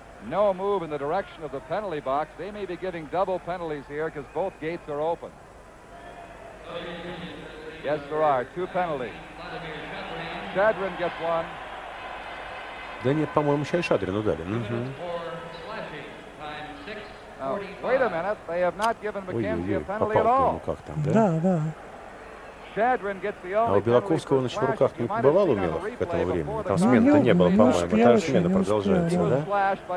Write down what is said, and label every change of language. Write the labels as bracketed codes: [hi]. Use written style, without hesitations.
[en] No move in the direction of the penalty box. They may be giving double penalties here because both gates are open. Yes, there are. Two penalties. Шадрин gets one. [ru] Да нет, по-моему, сейчас Шадрину дали. [en] Wait a minute. They have not given McKenzie a penalty at all. [ru] Как там, да? Да, да. А у Белаковского на руках не бывал умелых к этому времени? Там смены-то не было, по-моему. Та же смена продолжается, да?